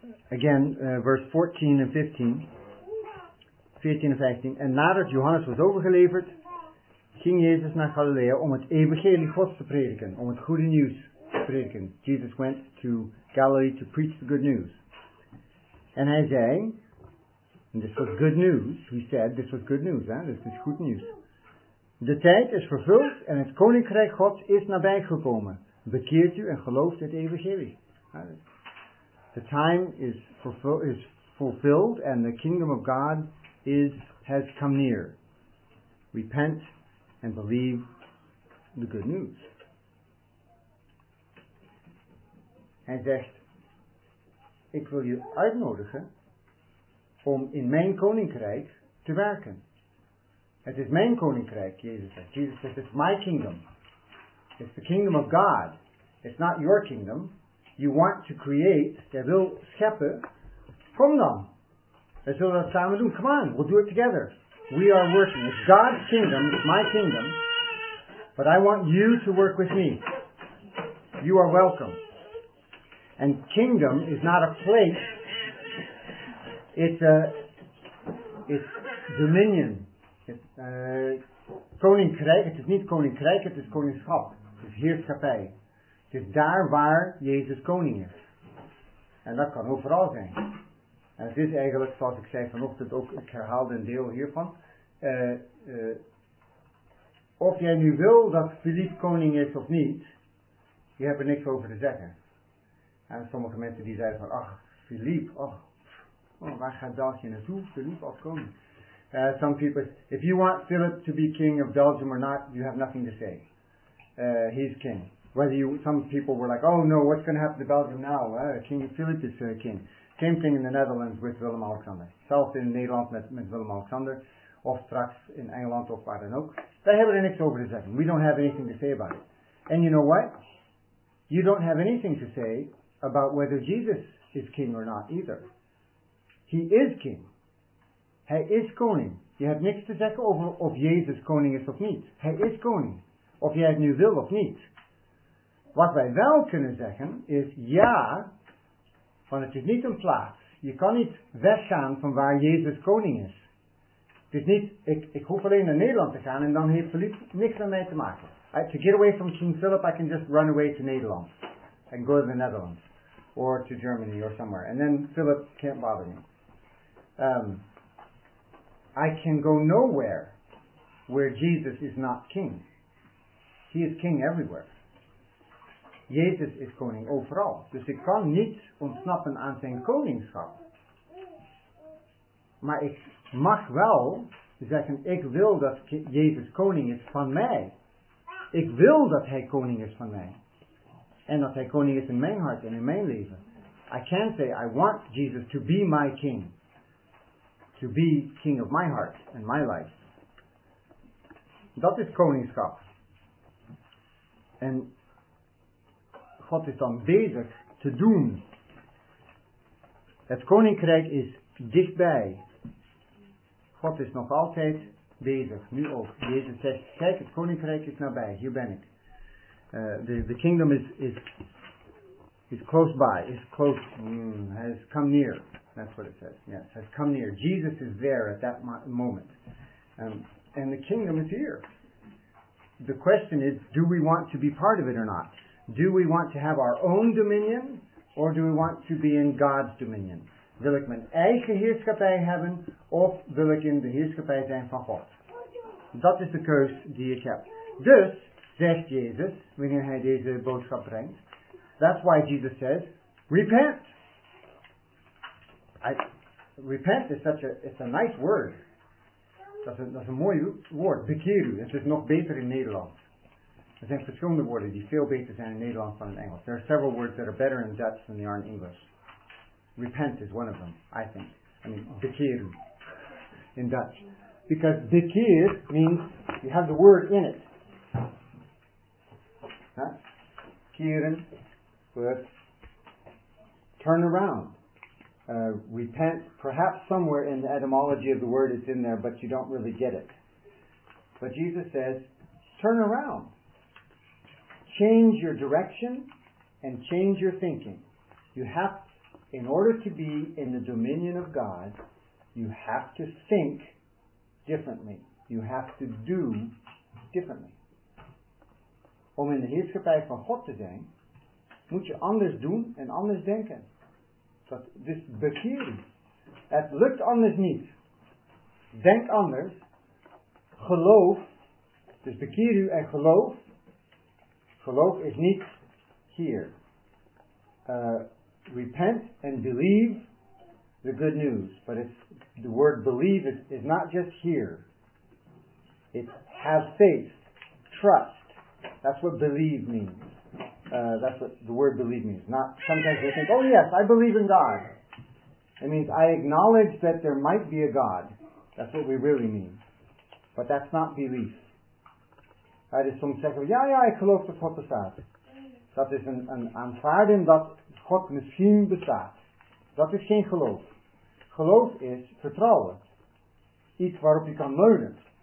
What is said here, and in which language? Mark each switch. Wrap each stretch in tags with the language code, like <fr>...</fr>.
<nl>Again, verse 14 and 15. En nadat Johannes was overgeleverd, ging Jezus naar Galilea om het evangelie Gods te prediken, om het goede nieuws te prediken.</nl> <en>Jesus went to Galilee to preach the good news.</en> <nl>En hij zei,</nl> <en>and this was good news, he said, this was good news, hè? This is</en> <nl>goed nieuws. De tijd is vervuld en het koninkrijk Gods is nabij gekomen. Bekeert u en gelooft het evangelie.</nl> <en>The time is fulfilled and the kingdom of God has come near. Repent and believe the good news.</en> <nl>Hij zegt, ik wil je uitnodigen om in mijn koninkrijk te werken. Het is mijn koninkrijk, Jezus zegt. Jezus zegt,</nl> <en>it's my kingdom. It's the kingdom of God. It's not your kingdom. You want to create,</en> <nl>jij wil scheppen. Kom dan. We zullen dat samen doen.</nl> <en>Come on, we'll do it together. We are working. It's God's kingdom, it's my kingdom. But I want you to work with me. You are welcome. And kingdom is not a place. It's dominion.</en> <nl>Koninkrijk, het is niet koninkrijk, het is koningschap. Het is heerschappij. Het is daar waar Jezus koning is. En dat kan overal zijn. En het is eigenlijk, zoals ik zei vanochtend ook, ik herhaalde een deel hiervan. Of jij nu wil dat Filip koning is of niet, je hebt er niks over te zeggen. En sommige mensen die zeiden van, ach, Filip, ach, oh, waar gaat België naartoe, Filip als koning?</nl> <en>Some people, if you want Philip to be king of Belgium or not, you have nothing to say. He's king. Some people were like, oh no, what's going to happen to Belgium now? King Philip is king. Same thing in the Netherlands with Willem-Alexander.</en> <nl>Zelfs in Nederland met Willem-Alexander. Of straks in Engeland of waar dan ook.</nl> <en>They have it in</en> <nl>niks over</nl> <en>to say. We don't have anything to say about it. And you know what? You don't have anything to say about whether Jesus is king or not either. He is king.</en> <nl>Hij is koning. Je hebt niks te zeggen over of Jezus koning is of niet. Hij is koning. Of jij het nu wil of niet. Wat wij wel kunnen zeggen is ja, want het is niet een plaats. Je kan niet weggaan van waar Jezus koning is. Het is niet, ik hoef alleen naar Nederland te gaan en dan heeft Philip niks met mij te maken.</nl> <en>To get away from King Philip, I can just run away to Nederland. And go to the Netherlands. Or to Germany or somewhere. And then Philip can't bother me. I can go nowhere where Jesus is not king. He is king everywhere.</en> <nl>Jezus is koning overal. Dus ik kan niet ontsnappen aan zijn koningschap. Maar ik mag wel zeggen, ik wil dat Jezus koning is van mij. Ik wil dat hij koning is van mij. En dat hij koning is in mijn hart en in mijn leven.</nl> <en>I can say, I want Jesus to be my king. To be king of my heart and my life.</en> <nl>Dat is koningschap. En God is dan bezig te doen. Het koninkrijk is dichtbij. God is nog altijd bezig. Nu ook. Jezus zegt, kijk, het koninkrijk is nabij. Hier ben ik.</nl> <en>The kingdom is close by. It's close. Has come near. That's what it says. Yes, has come near. Jesus is there at that moment. And the kingdom is here. The question is, do we want to be part of it or not? Do we want to have our own dominion? Or do we want to be in God's dominion?</en> <nl>Wil ik mijn eigen heerschappij hebben? Of wil ik in de heerschappij zijn van God? Dat is de keuze die ik heb. Dus, zegt Jezus, wanneer hij deze boodschap brengt.</nl> <en>That's why Jesus says, repent. Repent is it's a nice word.</en> <nl>Dat is een mooi woord. Bekeer u. Het is nog beter in Nederlands. Er zijn verschillende woorden die veel beter zijn in Nederlands dan in Engels.</nl> <en>There are several words that are better in Dutch than they are in English. Repent is one of them, I think. I mean, bekeer u. In Dutch. Because bekeer means you have the word in it. Keren. Word. Turn around. Repent, perhaps somewhere in the etymology of the word it's in there, but you don't really get it. But Jesus says, turn around. Change your direction and change your thinking. You have in order to be in the dominion of God, you have to think differently. You have to do differently.</en> <nl>Om in de heerschappij van God te zijn, moet je anders doen en anders denken. Dus bekeer. Het lukt anders niet. Denk anders. Geloof. Dus bekeer u en geloof. Geloof is niet hier.</nl> <en>Repent and believe the good news. But it's, the word believe is not just here. It's have faith. Trust. That's what believe means. That's what the word believe means. Not sometimes we think, oh yes, I believe in God. It means I acknowledge that there might be a God. That's what we really mean. But that's not belief.</en> <nl>Dat is soms zeggen, ja, ja, ik geloof dat God bestaat. Dat is een aanvaarding dat God misschien bestaat. Dat is geen geloof. Geloof is vertrouwen. Iets waarop je kan leunen.</nl>